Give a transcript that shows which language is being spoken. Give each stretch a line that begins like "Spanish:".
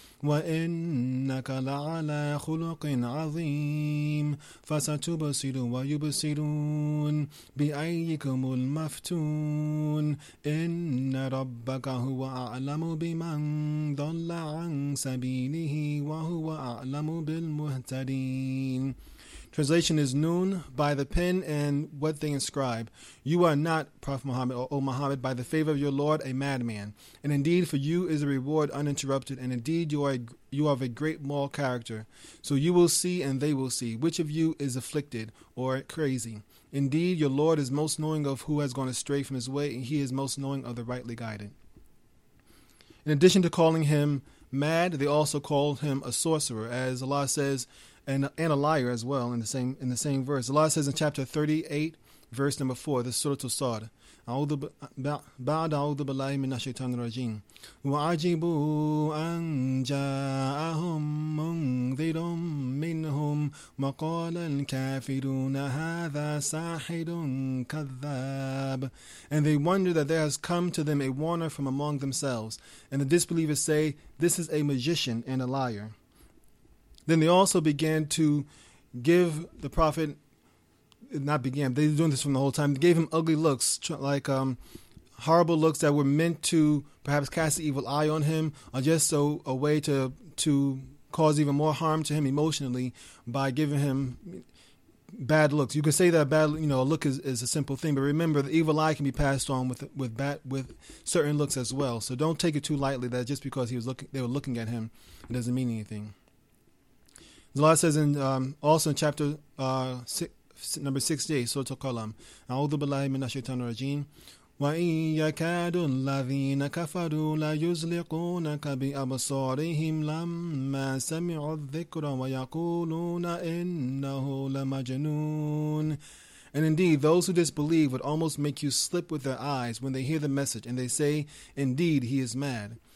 Arabic: وإنك لعلى خلق عظيم فستبصر ويبصرون بأيكم المفتون إن ربك هو أعلم بمن ضل عن سبيله وهو أعلم بالمهتدين.
English: Translation is noon, by the pen and what they inscribe. You are not, Prophet Muhammad, O Muhammad, by the favor of your Lord, a madman. And indeed, for you is a reward uninterrupted, and indeed you are of a great moral character. So you will see and they will see which of you is afflicted or crazy. Indeed, your Lord is most knowing of who has gone astray from his way, and he is most knowing of the rightly guided. In addition to calling him mad, they also called him a sorcerer, as Allah says, and a liar as well in the same verse. Allah says in chapter 38, verse number 4, the Surah Al-Sad,
Arabic: بعد أعوذ بالله من الشيطان الرجيم وعجبوا أن جاءهم منذر منهم وقال الكافرون هذا ساحر كذاب.
English: And they wonder that there has come to them a warner from among themselves, and the disbelievers say, this is a magician and a liar. Then they also began to give the Prophet, not began, they were doing this from the whole time, they gave him ugly looks, like horrible looks that were meant to perhaps cast an evil eye on him, or just so a way to cause even more harm to him emotionally by giving him bad looks. You could say that a look is a simple thing, but remember, the evil eye can be passed on with certain looks as well. So don't take it too lightly that just because they were looking at him, it doesn't mean anything. Allah says in chapter number 68, Surah Al-Qalam,
Arabic: أعوذ بالله من الشيطان الرجيم وَإِن يَكَادُ الَّذِينَ كَفَرُوا لَيُزْلِقُونَكَ بِأَبْصَارِهِمْ لَمَّا سَمِعُوا الذِّكْرَ وَيَقُولُونَ إِنَّهُ لَمَجْنُونَ.
English: And indeed, those who disbelieve would almost make you slip with their eyes when they hear the message, and they say, indeed, he is mad.